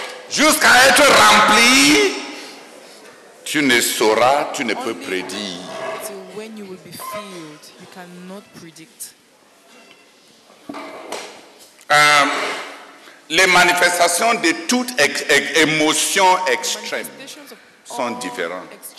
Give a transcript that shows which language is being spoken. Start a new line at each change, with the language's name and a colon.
French: Jusqu'à être rempli, tu ne sauras, tu ne peux prédire.
English: When you will be filled, you cannot predict.
French: Les manifestations de toutes émotions extrêmes sont différentes.